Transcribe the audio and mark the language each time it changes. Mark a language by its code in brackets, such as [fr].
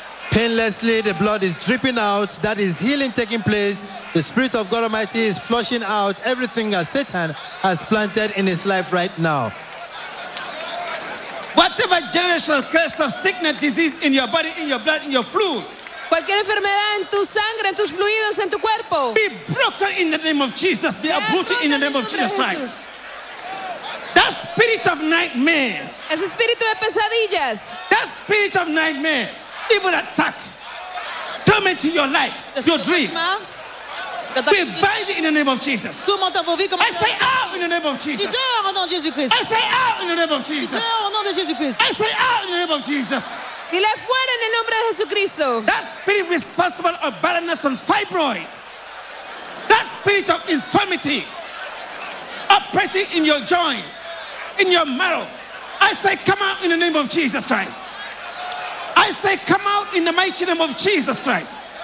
[en] Painlessly, the blood is dripping out. That is healing taking place. The Spirit of God Almighty is flushing out everything that Satan has planted in his life right now. Whatever generational curse of sickness, disease in your body, in your blood, in your fluid. [es] Cualquier enfermedad en tu sangre, en tus fluidos, en tu cuerpo. [en] Be broken in the name of Jesus. Be uprooted in the name of Jesus Christ. That spirit of nightmare. [es] Ese espíritu de pesadillas. [en] That spirit of nightmare. Evil attack tormenting your life, your dream. We bind it in the name of Jesus. I say out in the name of Jesus. I say out in the name of Jesus. I say out in the name of Jesus. I say out in the name of Jesus. [es] Dile fuera en el nombre de Jesucristo. [en] That spirit responsible of barrenness and fibroid. That spirit of infirmity operating in your joint, in your marrow. I say come out in the name of Jesus Christ. I say, come out in the mighty name of Jesus Christ.